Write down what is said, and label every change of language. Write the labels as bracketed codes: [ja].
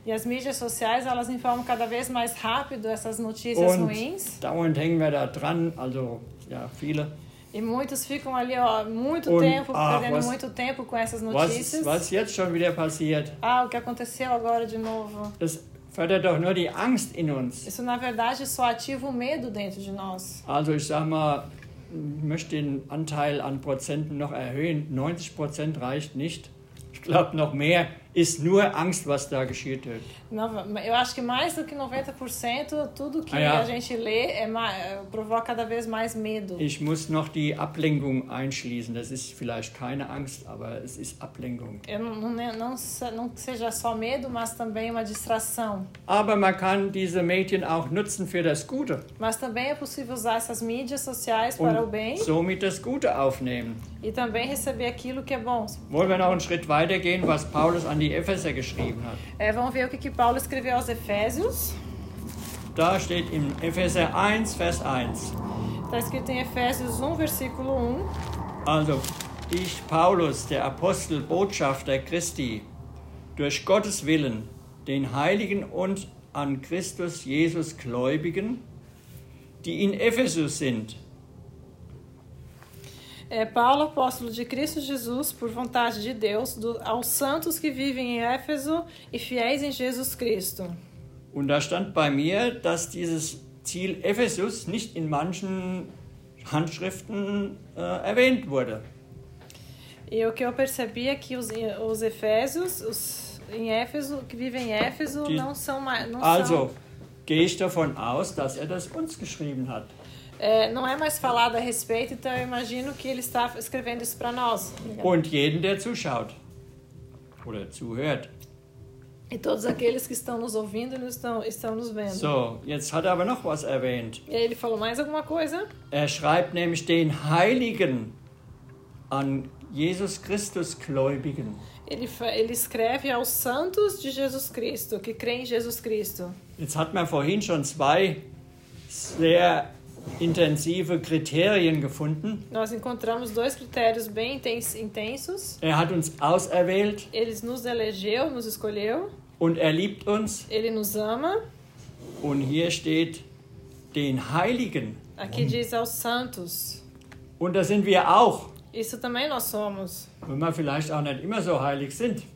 [pt] E as mídias sociais, elas informam cada vez mais rápido essas notícias [de] und [pt] ruins. [de] Dauernd hängen wir da dran, also ja, viele. [pt] E muitos ficam ali, ó, muito [de] und, [pt] tempo, [de] ach, [pt] perdendo [de] was, [pt] muito tempo com essas notícias. [de] Was jetzt schon wieder passiert? [pt] Ah, o que aconteceu agora de novo? [de] Das fördert doch nur die Angst in uns. [pt] Isso na verdade só ativa o medo dentro de nós. [de] Also ich sag mal, ich möchte den Anteil an Prozenten noch erhöhen. 90% reicht nicht. Ich glaube noch mehr. Ist nur Angst, was da geschieht. [pt] Eu acho que mais do que 90%, tudo que a gente lê provoca cada vez mais medo. [de] Ich muss noch die Ablenkung einschließen. Das ist vielleicht keine Angst, aber es ist Ablenkung. [pt] Não seja só medo, mas também uma distração. [de] Aber man kann diese Medien auch nutzen für das Gute. [pt] Mas também é possível usar essas mídias sociais para o bem. [de] Somit das Gute aufnehmen. [pt] E também receber aquilo que é bom. [de] Wollen wir noch einen Schritt weitergehen, was Paulus an die Epheser geschrieben hat. [pt] Vamos ver o que Paulo escreveu aos Efésios. [de] Da steht in Epheser 1, Vers 1. [pt] Está escrito em Efésios 1, versículo 1. [de] Also, ich, Paulus, der Apostel, Botschafter Christi, durch Gottes Willen, den Heiligen und an Christus Jesus Gläubigen, die in Ephesus sind. [pt] Paulo, apóstolo de Cristo Jesus, por vontade de Deus, aos santos que vivem em Éfeso e fiéis em Jesus Cristo. [de] Und da stand bei mir, dass dieses Ziel Ephesus nicht in manchen Handschriften erwähnt wurde. [pt] E o que eu percebi é que os Efésios, os em Éfeso, que vivem em Éfeso, [de] die, [pt] não são não [de] also, [pt] são... [de] gehe ich davon aus, dass er das uns geschrieben hat. [pt] Não é mais falado a respeito, então eu imagino que ele está escrevendo isso para nós. [de] Und jeden, der zuschaut oder zuhört. [pt] E todos aqueles que estão nos ouvindo e estão nos vendo. [de] So, jetzt hat er aber noch was erwähnt. [pt] Ele falou mais alguma coisa? [de] Er schreibt nämlich den Heiligen an Jesus Christus Gläubigen. [pt] Ele escreve aos santos de Jesus Cristo, que creem em Jesus Cristo. [de] Jetzt hat man vorhin schon zwei sehr intensive Kriterien gefunden. [pt] Nós encontramos dois critérios bem intensos. [de] Er hat uns auserwählt. [pt] Ele nos elegeu, nos escolheu. [de] Und er liebt uns. [pt] Ele nos ama. [de] Und hier steht den Heiligen. [pt] Aqui diz aos santos. [de] Und da sind wir auch. [pt] Isso também nós somos. [de] Wenn wir vielleicht auch nicht immer so heilig sind.